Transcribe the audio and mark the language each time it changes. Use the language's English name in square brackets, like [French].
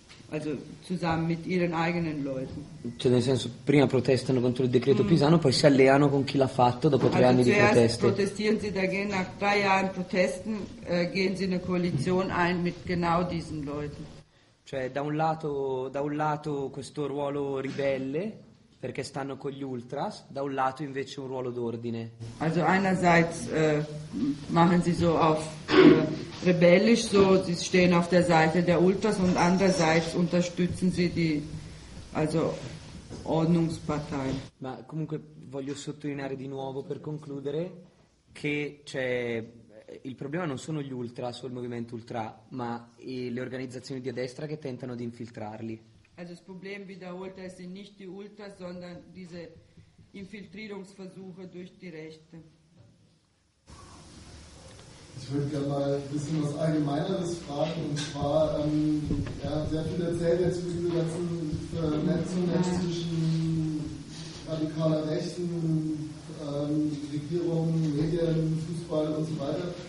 [German] Also zusammen mit ihren eigenen Leuten. [Italian] Cioè, nel senso, prima protestano contro il decreto Pisanu, poi si alleano con chi l'ha fatto dopo tre anni di proteste. [German] Zuerst protestieren sie dagegen, nach 3 Jahren Protesten gehen sie in eine Koalition ein mit genau diesen Leuten. [Italian] Cioè, da un lato questo ruolo ribelle, perché stanno con gli ultras, da un lato invece un ruolo d'ordine. [German] Also einerseits machen sie so auf rebellisch, so sie stehen auf der Seite der Ultras und andererseits unterstützen sie die also Ordnungspartei. [Italian] Ma comunque voglio sottolineare di nuovo per concludere che c'è il problema non sono gli ultras o il movimento ultra, ma le organizzazioni di destra che tentano di infiltrarli. [German] Also das Problem wiederholt, es sind nicht die Ultras, sondern diese Infiltrierungsversuche durch die Rechte. Ich würde gerne mal ein bisschen was Allgemeineres fragen, und zwar, sehr viel erzählt jetzt über diese ganzen Vernetzungen zwischen radikaler Rechten, Regierung, Medien, Fußball und so weiter.